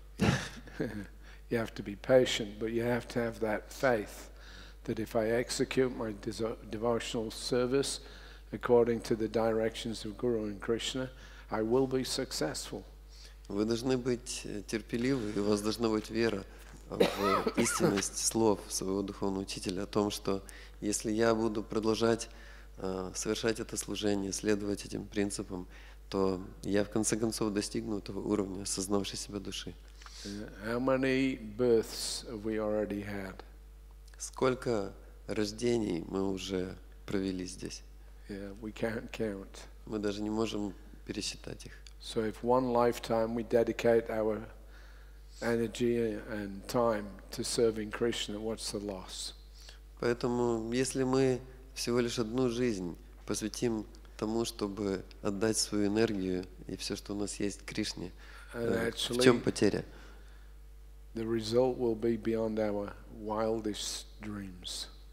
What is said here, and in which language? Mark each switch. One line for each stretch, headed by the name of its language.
English: You have to be patient, but you have to have that faith that if I execute my devotional service according to the directions of Guru and Krishna, I will be successful.
Russian: Вы должны быть терпеливы, и у вас должна быть вера в истинность слов своего духовного учителя о том, что если я буду продолжать совершать это служение, следовать этим принципам, то я в конце концов достигну этого уровня, осознавшей себя души.
English: How many births have we already had?
Russian: Сколько рождений мы уже провели здесь?
English: Yeah, we can't count.
Russian: Мы даже не можем пересчитать их.
English: So if one lifetime we dedicate our energy and time to serving Krishna, what's the loss?
Russian: Поэтому, если мы всего лишь одну жизнь посвятим тому, чтобы отдать свою энергию и все, что у нас есть, Кришне, в чем потеря?
English: The result will be beyond our wildest dreams.